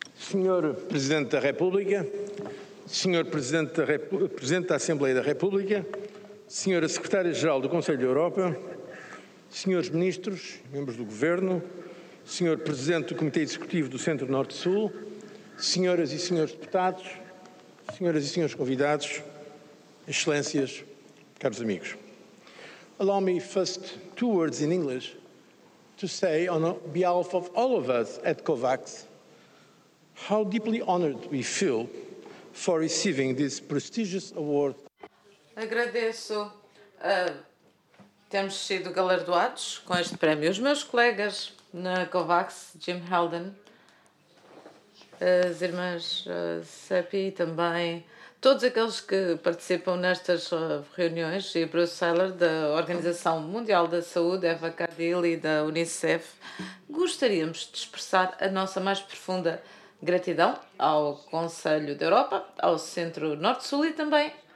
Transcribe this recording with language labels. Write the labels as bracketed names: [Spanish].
[Portuguese] Senhor Presidente da República, Senhor Presidente da Assembleia da República, Senhora Secretária-Geral do Conselho da Europa, Senhores Ministros, Membros do Governo, Senhor Presidente do Comitê Executivo do Centro Norte-Sul, Senhoras e Senhores Deputados, Senhoras e Senhores Convidados, Excelências, Caros Amigos. [English] Allow me first two words in English to say on behalf of all of us at COVAX how deeply honored we feel for receiving this prestigious award. [Portuguese] Agradeço termos sido galardoados com este prémio. Os meus colegas na COVAX, Jim Helden, as irmãs Sepi também, todos aqueles que participam nestas reuniões, e Bruce Seller, da Organização Mundial da Saúde, Eva Cardil e da UNICEF, gostaríamos de expressar a nossa mais profunda gratidão ao Conselho da Europa, ao Centro Norte-Sul e também